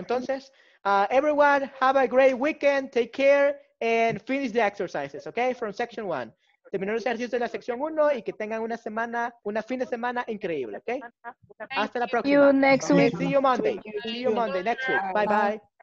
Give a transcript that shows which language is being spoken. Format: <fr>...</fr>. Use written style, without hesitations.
<es>Entonces,</es> <en>everyone, have a great weekend. Take care and finish the exercises, okay, from section 1.</en> <es>Terminen los ejercicios de la sección 1 y que tengan una semana, una fin de semana increíble, ¿ok? Hasta la próxima.</es> <en>See you next week. See you Monday. See you Monday. Next week. Bye bye.</en>